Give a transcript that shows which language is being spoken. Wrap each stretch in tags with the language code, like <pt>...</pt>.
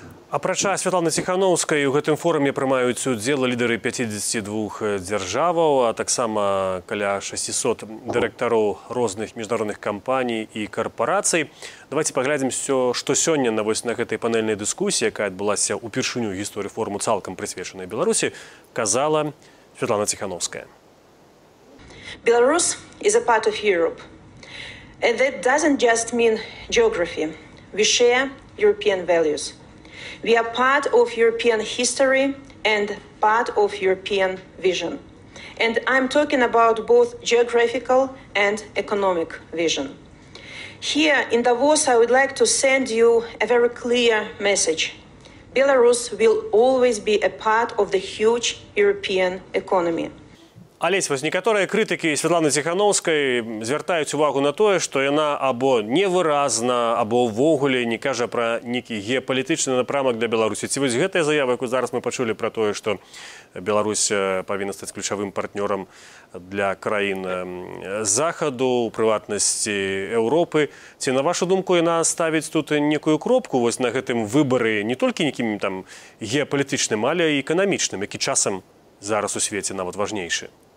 <be>Апрача Святланы Ціхановскай, у гэтым форуме прымаюць удзел лідары 52 дзяржаваў, а таксама каля 600 дырэктароў розных міжнародных кампаній і карпарацый. Давайте паглядзім, што сёння на гэтай панельнай дыскусіі, якая адбылася ўпершыню ў гісторыі форуму цалкам прысвечанай Беларусі, казала Святлана Ціхановская.</be> <en>Belarus is a part of Europe. And that doesn't just mean geography. We share European values. We are part of European history and part of European vision. And I'm talking about both geographical and economic vision. Here in Davos, I would like to send you a very clear message. Belarus will always be a part of the huge European economy.</en> <be>Олесь, вось некаторыя крытыкі Святланы Ціхановскай звяртаюць увагу на тое, што яна або невыразна, або ўвогуле не кажа пра нейкі геапалітычны напрамак для Беларусі. Ці вось гэтая заява, якую зараз мы пачулі пра тое, што Беларусь павінна стаць ключавым партнёрам для краін Захаду, у прыватнасці Еўропы, ці на вашу думку яна ставіць тут некую кропку вось на гэтым выбары, не толькі нейкім там геапалітычным, але і эканамічным, які часам зараз у свеце нават важнейшы.</be>